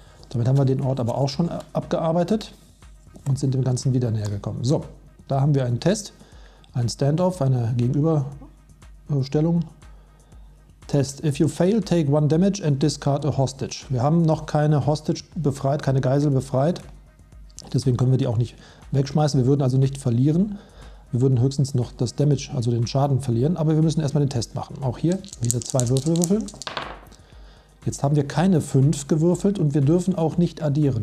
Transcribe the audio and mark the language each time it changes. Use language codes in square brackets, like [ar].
[de] Damit haben wir den Ort aber auch schon abgearbeitet und sind dem Ganzen wieder näher gekommen. So, da haben wir einen Test, einen Standoff, eine Gegenüberstellung. [en] Test, if you fail, take 1 damage and discard a hostage. [de] Wir haben noch keine Hostage befreit, keine Geisel befreit. Deswegen können wir die auch nicht wegschmeißen. Wir würden also nicht verlieren. Wir würden höchstens noch das Damage, also den Schaden verlieren. Aber wir müssen erstmal den Test machen. Auch hier wieder 2 Würfel würfeln. Jetzt haben wir keine 5 gewürfelt und wir dürfen auch nicht addieren.